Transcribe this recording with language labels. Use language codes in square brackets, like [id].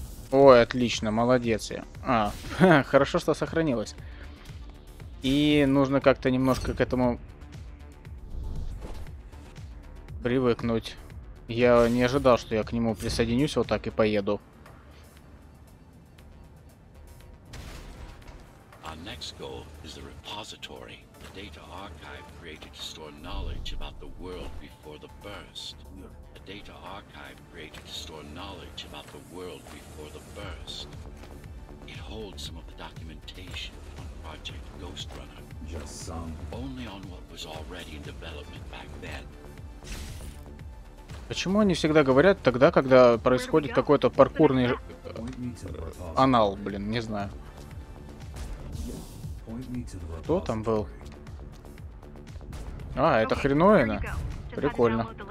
[ru] Ой, отлично, молодец я. А, хорошо, что сохранилось. И нужно как-то немножко к этому привыкнуть. Я не ожидал, что я к нему присоединюсь вот так и поеду. [en] Our next goal is the repository, the data archive created to store knowledge about the world before the burst. Data archive created to store knowledge about the world before the burst. It holds some of the documentation on Project Ghost Runner. Just some. Only on what was already in development back then. [ru] Почему они всегда говорят тогда, когда происходит какой-то паркурный анал, блин, не знаю. Кто там был? А, это хреновина. Прикольно.